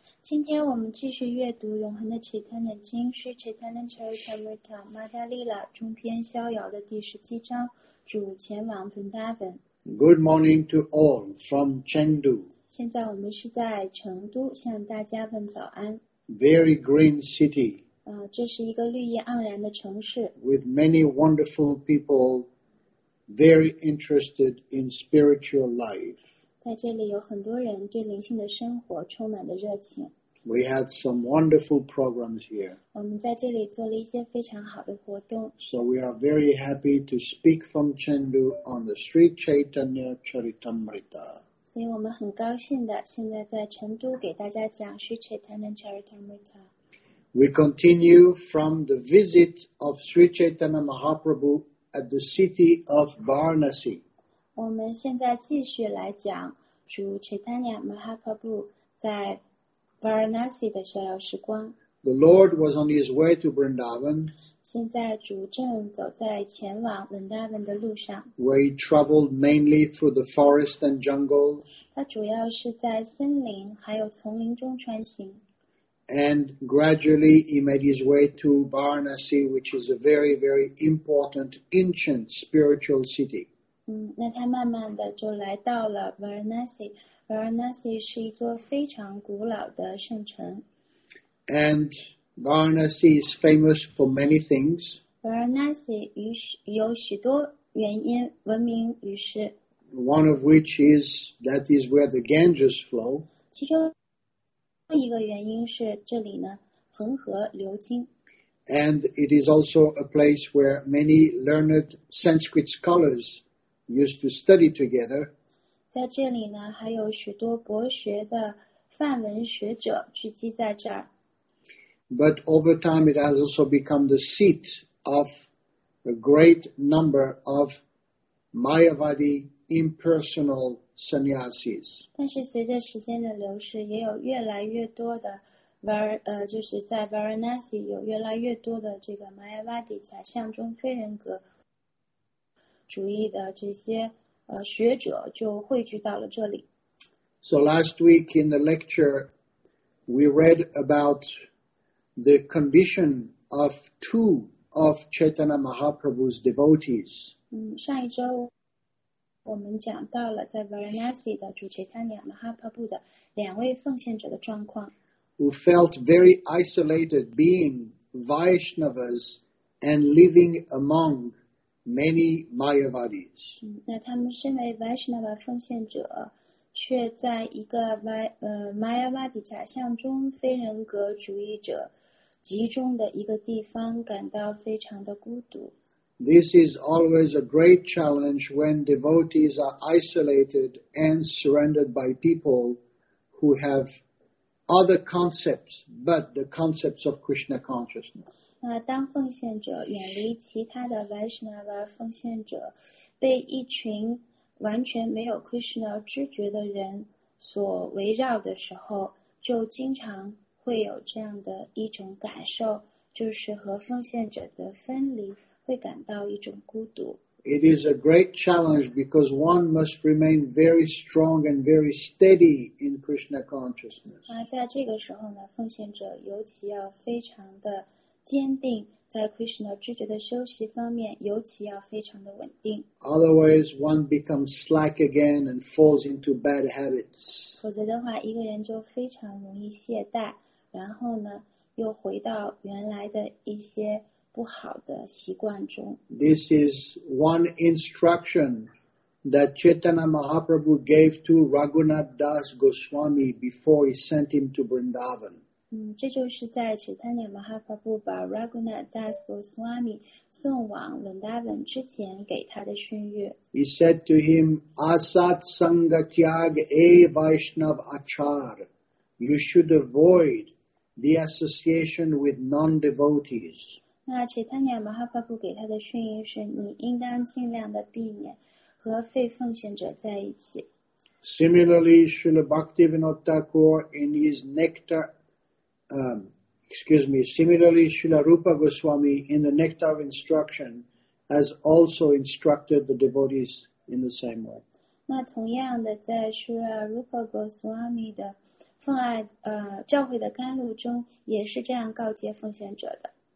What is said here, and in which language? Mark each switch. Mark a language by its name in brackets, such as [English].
[Chinese] 今天我们继续阅读《永恒的Chaitanya经》Sri Chaitanya Charitamrita, Madhya Lila, 中篇逍遥的第十七章，主前往Vrindavan。 [English] Good morning to all from Chengdu. [Chinese] 现在我们是在成都，向大家问早安。 [English] Very green city. [Chinese] 这是一个绿意盎然的城市。 [English] With many wonderful people, very interested in spiritual life. [Chinese] 在这里有很多人对灵性的生活充满了热情。 [English] We had some wonderful programs here. [Chinese] 我们在这里做了一些非常好的活动。 [English] So we are very happy to speak from Chengdu on the Sri Chaitanya Charitamrita. [Chinese] 所以我们很高兴的现在在成都给大家讲 Sri Chaitanya Charitamrita. [English] We continue from the visit of Sri Chaitanya Mahaprabhu at the city of Varanasi. [Chinese] 我们现在继续来讲主 Chaitanya Mahaprabhu 在 Varanasi 的逍遥时光。 [English] The Lord was on his way to Vrindavan. [Chinese] 现在主正走在前往 Vrindavan 的路上。 [English] Where he traveled mainly through the forest and jungles. [Chinese] 他主要是在森林还有丛林中穿行。 [English] And gradually he made his way to Varanasi, which is a very, very important ancient spiritual city. [Chinese] 那他慢慢的就来到了 Varanasi. Varanasi 是一座非常古老的圣城。 [English] And Varanasi is famous for many things. [Chinese] Varanasi 有许多原因闻名于世。 [English] One of which is that is where the Ganges flow. [Chinese] 其中一个原因是这里呢，恒河流经。 [English] And it is also a place where many learned Sanskrit scholars used to study together. [Chinese] 在这里呢，还有许多博学的梵文学者聚集在这儿。 [English] But over time, it has also become the seat of a great number of Mayavadi impersonal sannyasis. [Chinese] 但是随着时间的流逝，也有越来越多的 就是在 Varanasi 有越来越多的这个 Mayavadi 假象中非人格主义的这些学者就汇聚到了这里。 [English] So last week in the lecture, we read about. The condition of two of Chaitanya Mahaprabhu's devotees. [Chinese] 上一周我们讲到了在 Varanasi 的主 Chaitanya Mahaprabhu 的两位奉献者的状况。 [English] Who felt very isolated being Vaishnavas and living among many Mayavadis. [Chinese] 那他们身为 Vaishnava 奉献者却在一个 Mayavadi 假象中非人格主义者集中的一个地方感到非常的孤独。 [English] This is always a great challenge when devotees are isolated and surrounded by people who have other concepts but the concepts of Krishna consciousness. [Chinese] 当奉献者远离其他的 Vaishnava 奉献者，被一群完全没有 Krishna 知觉的人所围绕的时候，就经常会有这样的一种感受，就是和奉献者的分离会感到一种孤独。 [English] It is a great challenge because one must remain very strong and very steady in Krishna consciousness. [Chinese] 在这个时候呢，奉献者尤其要非常的坚定，在 Krishna 知觉的修习方面，尤其要非常的稳定。 [English] Otherwise, one becomes slack again and falls into bad habits. [Chinese] 否则的话，一个人就非常容易懈怠，然后呢，又回到原来的一些不好的习惯中。 [English] This is one instruction that Chaitanya Mahaprabhu gave to Raghunath Das Goswami before he sent him to Vrindavan. [Chinese] 这就是在 Chaitanya Mahaprabhu 把 Raghunath Das Goswami 送往 Vrindavan 之前给他的训谕。 [English] He said to him, [Bangla] Asat Sangha Tyag Ei Vaishnav Achar, [English] you should avoid the association with non-devotees. [Chinese] 那 Chaitanya Mahaprabhu 给他的训言是，你应当尽量的避免和非奉献者在一起。 [English] Similarly, Srila Bhaktivinoda Thakur in his Nectar, similarly, Srila Rupa Goswami in the Nectar of Instruction has also instructed the devotees in the same way. [Chinese] 那同样的，在 Srila Rupa Goswami 的奉爱教会的甘露中，也是这样告诫奉献者的。